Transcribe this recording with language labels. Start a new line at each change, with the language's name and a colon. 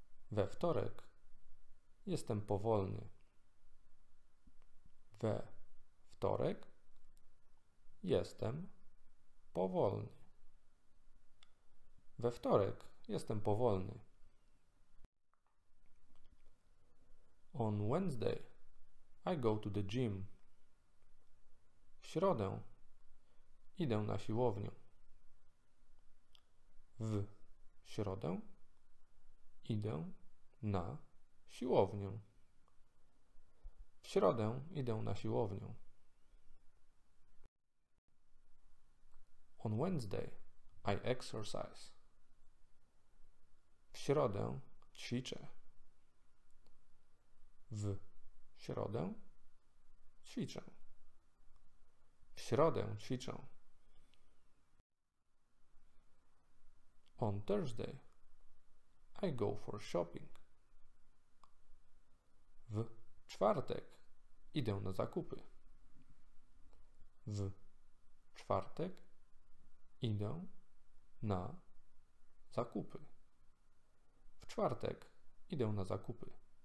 Polish: We wtorek jestem powolny. We wtorek jestem powolny. We wtorek jestem powolny.
English: On Wednesday I go to the gym.
Polish: W środę idę na siłownię. W środę idę na siłownię. W środę idę na siłownię.
English: On Wednesday I exercise.
Polish: W środę ćwiczę. W środę ćwiczę. W środę ćwiczę.
English: On Thursday I go for shopping.
Polish: W czwartek idę na zakupy. W czwartek idę na zakupy. W czwartek idę na zakupy.